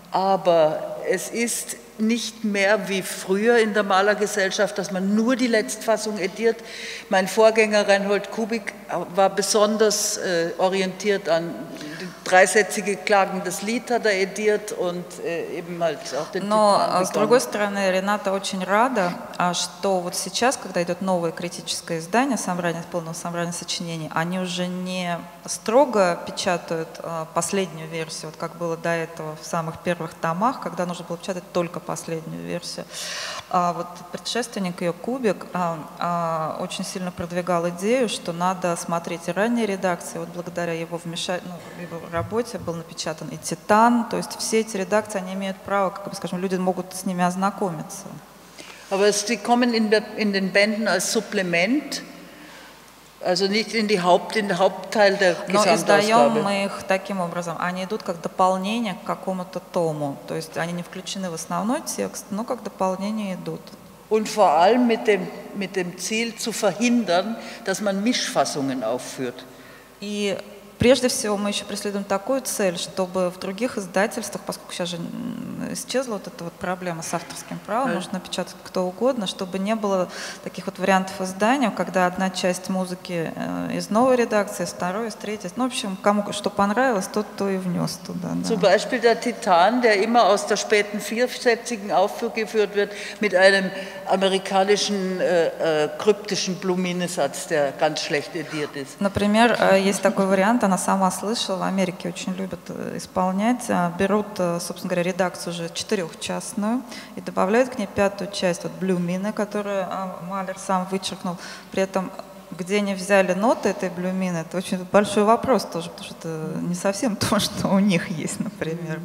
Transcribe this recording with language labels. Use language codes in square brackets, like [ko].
[de] Aber es ist nicht mehr wie früher in der Malergesellschaft, dass man nur die Letztfassung ediert. Mein Vorgänger Reinhold Kubik war besonders orientiert an die dreisätzige klagendes Lied hat er ediert und eben halt auch den [ru] Но с другой стороны, Рената очень рада, что вот сейчас, когда идет новое критическое издание, собрание полного собрания сочинений, они уже не строго печатают последнюю версию, вот как было до этого в самых первых томах, когда нужно было печатать только последнюю версию. А вот предшественник ее Кубик очень сильно продвигал идею, что надо смотреть и ранние редакции. Вот благодаря его его работе был напечатан и «Титан». То есть все эти редакции, они имеют право, как бы, скажем, люди могут с ними ознакомиться. [de] Aber sie kommen in den Bänden als Supplement, also nicht in die Haupt, in den Hauptteil der Gesamtausgabe. [ru] Но издаем мы их таким образом. Они идут как дополнение к какому-то тому. То есть они не включены в основной текст, но как дополнение идут. [de] Und vor allem mit dem Ziel zu verhindern, dass man Mischfassungen aufführt. [ru] И прежде всего мы еще преследуем такую цель, чтобы в других издательствах, поскольку сейчас же исчезла вот эта вот проблема с авторским правом, можно печатать кто угодно, чтобы не было таких вот вариантов издания, когда одна часть музыки из новой редакции, вторая, из третьей. Ну, в общем, кому что понравилось, тот то и внес туда. [de] Zum Beispiel der Titan, der immer aus der späten vierstätigen Aufführung geführt wird, mit einem amerikanischen kryptischen Blumenesatz, der ganz schlecht ediert ist. [ru] Например, есть такой вариант. Она сама слышала, в Америке очень любят исполнять, берут, собственно говоря, редакцию уже четырехчастную и добавляют к ней пятую часть, вот блюмины, которую Малер сам вычеркнул. При этом, где они взяли ноты этой блюмины, это очень большой вопрос тоже, потому что это не совсем то, что у них есть, например.